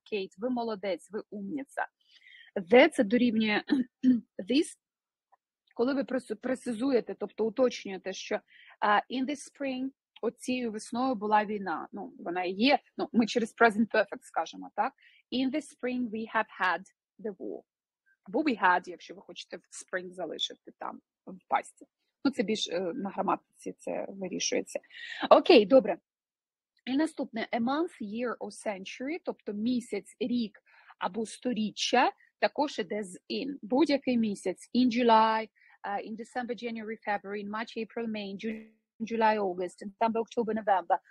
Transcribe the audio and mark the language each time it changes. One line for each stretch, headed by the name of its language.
Ukrainian: Кейт, ви молодець, ви умниця. The – це дорівнює this. Коли ви пресизуєте, тобто уточнюєте, що
English: in the spring,
Ukrainian: оцією весною була війна. Ну, вона є, ну, ми через present perfect скажемо, так?
English: In the spring we have had the war.
Ukrainian: Або
English: we had,
Ukrainian: якщо ви хочете в spring залишити там, в пасті. Ну, це більш на граматиці це вирішується. Окей, добре. І наступне.
English: A month, year or century,
Ukrainian: тобто місяць, рік або сторіччя, також іде з in. Будь-який місяць.
English: In July, in December, January, February, in March, April, May, July, August, in December, October, November.